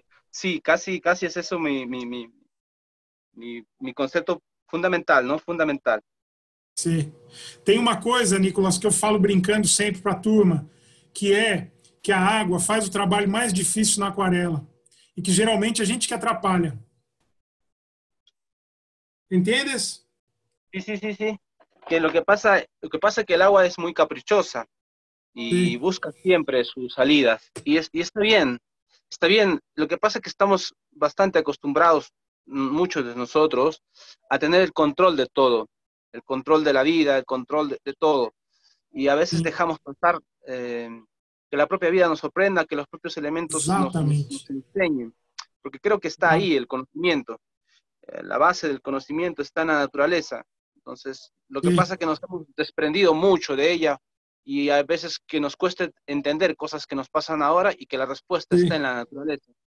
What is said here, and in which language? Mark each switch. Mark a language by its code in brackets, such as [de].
[es] Sí, casi es eso mi concepto fundamental, ¿no? Fundamental. [pt] Sim. Tem uma coisa, Nicolas, que eu falo brincando sempre para a turma, que é que a água faz o trabalho mais difícil na aquarela e que geralmente a gente que atrapalha. Entendes? Sim. Que o que passa é que a água é muito caprichosa e busca sempre suas saídas. E está bem. O que passa é que estamos bastante acostumbrados, muitos de nós, a ter o controle de tudo. [es] el control de la vida, el control de todo. Y a veces dejamos pasar que la propia vida nos sorprenda, que los propios elementos nos enseñen. Porque creo que está ahí el conocimiento. La base del conocimiento está en la naturaleza. Entonces, lo que pasa es que nos hemos desprendido mucho de ella y a veces que nos cueste entender cosas que nos pasan ahora y que la respuesta está en la naturaleza.